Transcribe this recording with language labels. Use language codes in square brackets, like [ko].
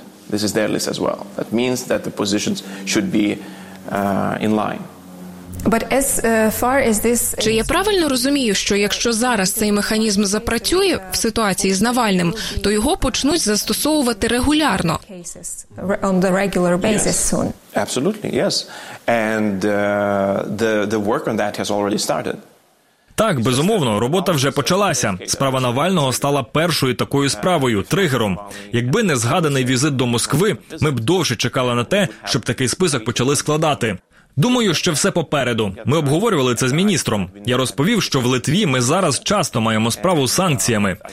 [en] This is their list as well. That means that the positions should be in line. But as far as this, [uk] чи я правильно розумію, що якщо зараз цей механізм запрацює в ситуації з Навальним, то його почнуть застосовувати регулярно? [en] On the regular basis soon. Absolutely, yes. And the work on that has already started. [uk] Так, безумовно, робота вже почалася. Справа Навального стала першою такою справою, тригером. Якби не згаданий візит до Москви, ми б довше чекали на те, щоб такий список почали складати. Думаю, що все попереду. Ми обговорювали це з міністром. Я розповів, що в Литві ми зараз часто маємо справу з санкціями.